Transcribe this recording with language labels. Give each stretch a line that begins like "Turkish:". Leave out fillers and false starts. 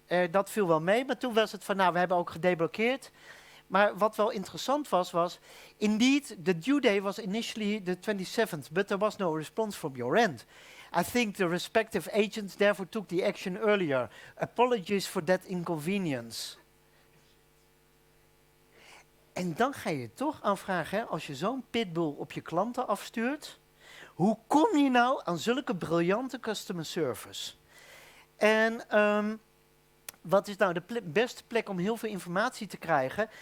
Dutch: Dat viel wel mee. Maar toen was het van, nou, we hebben ook gedeblokkeerd. Maar wat wel interessant was
English: indeed, the due day was initially the 27th, but there was no response from your end. I think the respective agents therefore took the action earlier. Apologies for that inconvenience.
Dutch: En dan ga je toch aanvragen, hè, als je zo'n pitbull op je klanten afstuurt, hoe kom je nou aan zulke briljante customer service? En wat is nou de beste plek om heel veel informatie te krijgen?